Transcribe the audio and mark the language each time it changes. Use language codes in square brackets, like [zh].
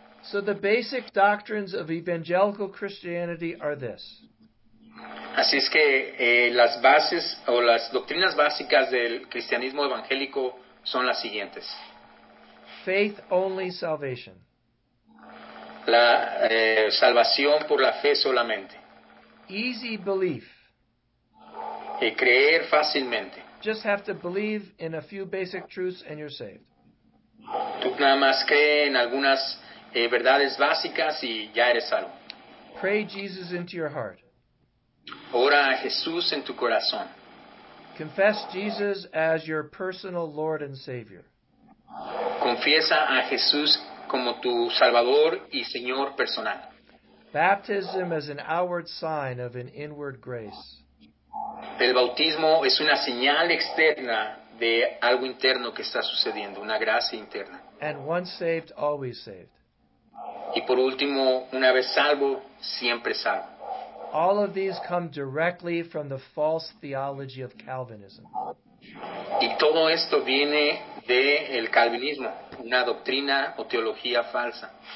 [en] So the basic doctrines of evangelical Christianity are this. [es] Así es que las bases o las doctrinas básicas del cristianismo evangélico son las siguientes. [en] Faith only salvation. [es] La salvación por la fe solamente. [en] Easy belief. [es] Creer fácilmente. [en] Just have to believe in a few basic truths and you're saved. [es] Tú nada más cree en algunas verdades básicas y ya eres salvo. [en] Pray Jesus into your heart. [es] Ora a Jesús en tu corazón. [en] Confess Jesus as your personal Lord and Savior. [es] Confiesa a Jesús como tu Salvador y Señor personal. [en] Baptism as an outward sign of an inward grace. [es] El bautismo es una señal externa de algo interno que está sucediendo, una gracia interna. [en] And once saved, always saved. [es] Y por último, una vez salvo, siempre salvo. [en] All of these come directly from the false theology of Calvinism. [es] Y todo esto viene del calvinismo, una doctrina o teología falsa.